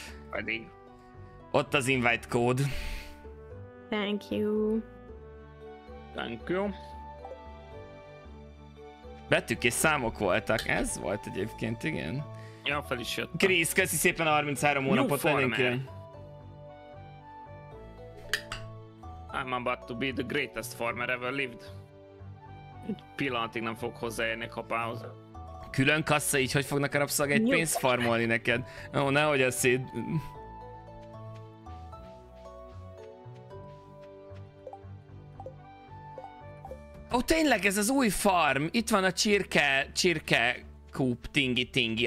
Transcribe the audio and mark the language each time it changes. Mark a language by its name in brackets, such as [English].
[Hungarian] Pedig. Ott az invite kód. [English] Thank you. Thank you. [Hungarian] Betűk és számok voltak. Ez volt egyébként, igen. Ja, fel is jöttem. Krisz, köszi szépen a 33 hónapot. [English] New farmer. I'm about to be the greatest farmer ever lived. [Hungarian] Egy pillanatig nem fog hozzáérni kapához. Külön kassa, így hogy fognak a rabszolgák egy pénzt farmolni neked? Ó, nehogy a szét... Oké, Ó, tényleg ez az új farm. Itt van a csirke coop tingi-tingi.